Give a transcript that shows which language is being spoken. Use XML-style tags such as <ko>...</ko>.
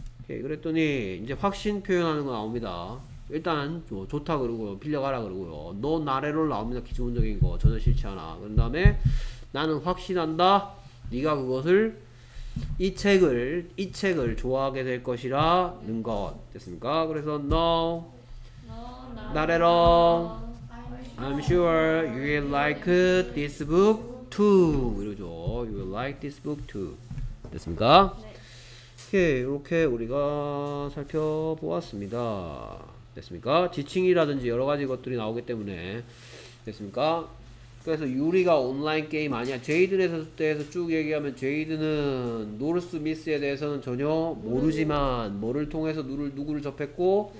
<ko>Okay, 그랬더니 이제 확신 표현하는 거 나옵니다. 일단 뭐 좋다 그러고요, 빌려가라 그러고요, 너 나래로 나옵니다. 기본적인 거 전혀 싫지 않아. 그런 다음에 나는 확신한다, 네가 그것을, 이 책을 좋아하게 될 것이라 는 것. 됐습니까? 그래서</ko> <en>No, not at all. I'm sure you will like this book too.</en> <ko>이러죠.</ko> <en>You will like this book too.</en> <ko>됐습니까? 네. 오케이, 이렇게 우리가 살펴보았습니다. 됐습니까? 지칭이라든지 여러 가지 것들이 나오기 때문에 됐습니까? 그래서 유리가 온라인 게임 아니야. 제이든에서 대해서 쭉 얘기하면 제이든은 노르스 미스에 대해서는 전혀 모르지만 뭐를 통해서 누구를 접했고</ko>